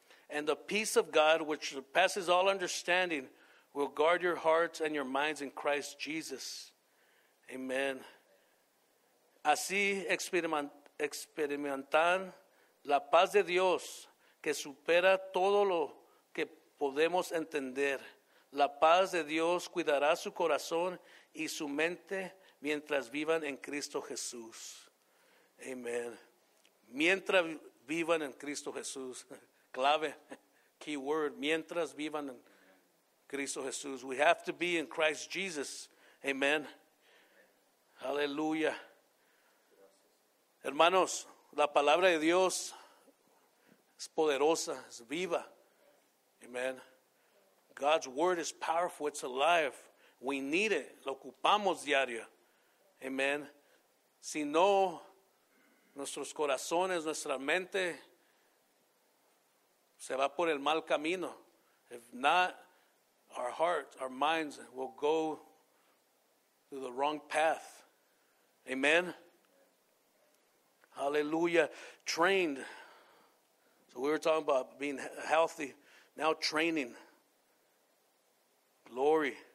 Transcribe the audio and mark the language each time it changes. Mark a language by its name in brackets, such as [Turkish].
[English] And the peace of God, which passes all understanding, will guard your hearts and your minds in Christ Jesus. Amen. [Spanish] Así experimentan la paz de Dios, que supera todo lo que podemos entender. La paz de Dios cuidará su corazón y su mente mientras vivan en Cristo Jesús. Amen. Mientras vivan en Cristo Jesús. Clave, [English] key word. [Spanish] Mientras vivan en Cristo Jesús. [English] We have to be in Christ Jesus. Amen. Hallelujah. [Spanish] Hermanos, la palabra de Dios es poderosa, es viva. [English] Amen. God's word is powerful, it's alive. We need it, [Spanish] lo ocupamos diario. [English] Amen. [Spanish] Si no, nuestros corazones, nuestra mente se va por el mal camino. [English] If not, our hearts, our minds will go to the wrong path. Amen. Hallelujah. Trained. So we were talking about being healthy. Now training. Glory.